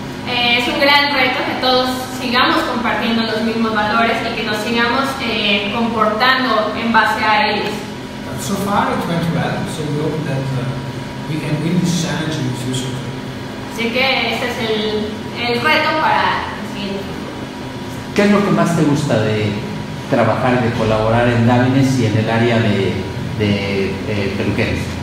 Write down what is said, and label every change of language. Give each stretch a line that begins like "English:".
Spanish: Es un gran reto que todos sigamos compartiendo los mismos valores y que nos sigamos comportando en base a ellos.
English: So far it went well, so we hope that we can win this challenge in the future.
Spanish: Así que este es el reto para el siguiente. ¿Qué es lo que más te gusta de trabajar y de colaborar en Davines y en el área de peluqueros?